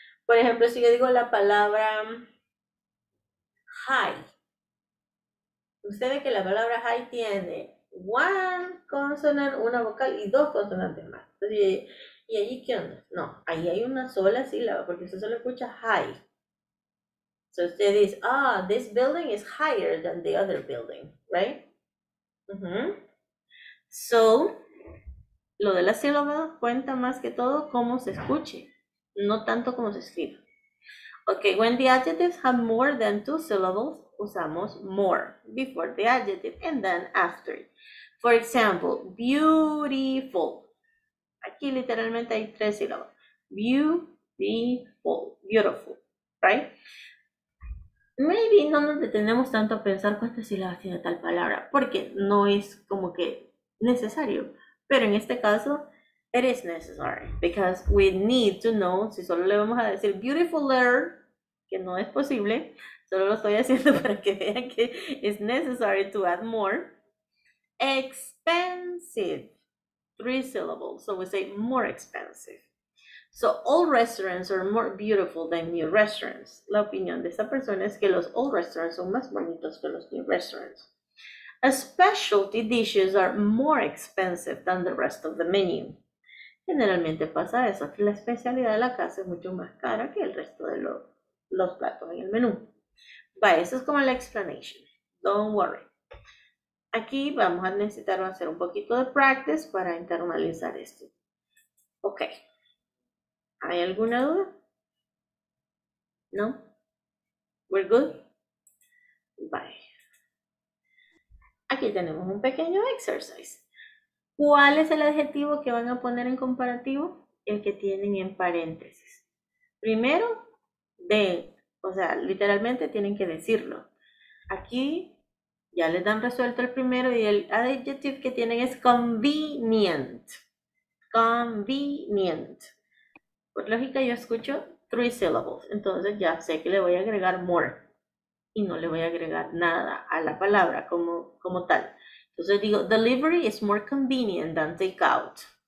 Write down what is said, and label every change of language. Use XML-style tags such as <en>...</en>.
<es>Por ejemplo, si yo digo la palabra high, usted ve que la palabra high tiene</es> <en>one consonant,</en> <es>una vocal y dos consonantes más. Entonces, ¿y allí qué onda? No, ahí hay una sola sílaba porque usted solo escucha high.</es> <en>So</en> <es>usted dice,</es> <en>ah, this building is higher than the other building, right? Uh-huh. So,</en> <es>lo de la sílaba cuenta más que todo cómo se escuche, no tanto cómo se escribe.</es> <en>Okay, when the adjectives have more than two syllables,</en> <es>usamos</es> <en>more before the adjective and then after it. For example, beautiful.</en> <es>Aquí literalmente hay tres sílabas.</es> <en>Beautiful, beautiful, right? Maybe</en> <es>no nos detenemos tanto a pensar cuántas sílabas tiene tal palabra, porque no es como que necesario. Pero en este caso,</es> <en>it is necessary, because we need to know,</en> <es>si solo le vamos a decir</es> <en>beautiful letter,</en> <es>que no es posible, solo lo estoy haciendo para que vean que</es> <en>it's necessary to add more. Expensive, three syllables, so we say more expensive. So old restaurants are more beautiful than new restaurants.</en> <es>La opinión de esta persona es que los</es> <en>old restaurants</en> <es>son más bonitos que los</es> <en>new restaurants. Specialty dishes are more expensive than the rest of the menu.</en> <es>Generalmente pasa eso, que la especialidad de la casa es mucho más cara que el resto de los platos en el menú. Vale, eso es como la explanation.</es> <en>Don't worry.</en> <es>Aquí vamos a necesitar hacer un poquito de practice para internalizar esto. Ok. ¿Hay alguna duda? ¿No?</es> <en>We're good? Bye.</en> <es>Aquí tenemos un pequeño exercise. ¿Cuál es el adjetivo que van a poner en comparativo? El que tienen en paréntesis. Primero, de. O sea, literalmente tienen que decirlo. Aquí ya les dan resuelto el primero y el adjective que tienen es convenient. Convenient. Por lógica yo escucho</es> <en>three syllables,</en> <es>entonces ya sé que le voy a agregar more y no le voy a agregar nada a la palabra como tal. Entonces digo,</es> <en>delivery is more convenient than take out.</en>